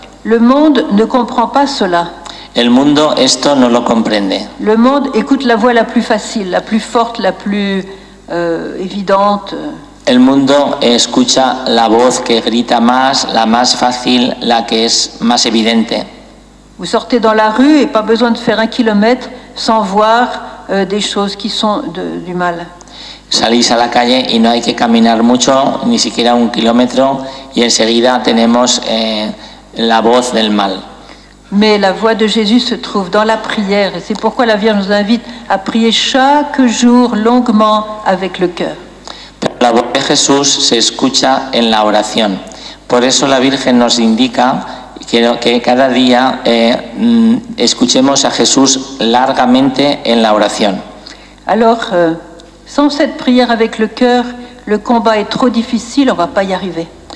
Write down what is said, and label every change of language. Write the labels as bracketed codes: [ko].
[fr] Le monde ne comprend pas cela. [es] El mundo esto no lo comprende. [fr] Le monde écoute la voix la plus facile, la plus forte, la plus évidente. [es] El mundo escucha la voz que grita más, la más fácil, la que es más evidente. [fr] Vous sortez dans la rue et pas besoin de faire un kilomètre sans voir des choses qui sont du mal. [es] Salís a la calle y no hay que caminar mucho, ni siquiera un kilómetro, y enseguida tenemos la voz del mal. [fr] Mais la voix de Jésus se trouve dans la prière, et c'est pourquoi la Vierge nous invite à prier chaque jour longuement avec le cœur. La voix de Jésus [es] se escucha en la oración. Por eso la Virgen nos indica que cada día escuchemos a Jesús largamente en la oración. [fr] Alors, sans cette prière avec le cœur, le combat est trop difficile, on ne va pas y arriver.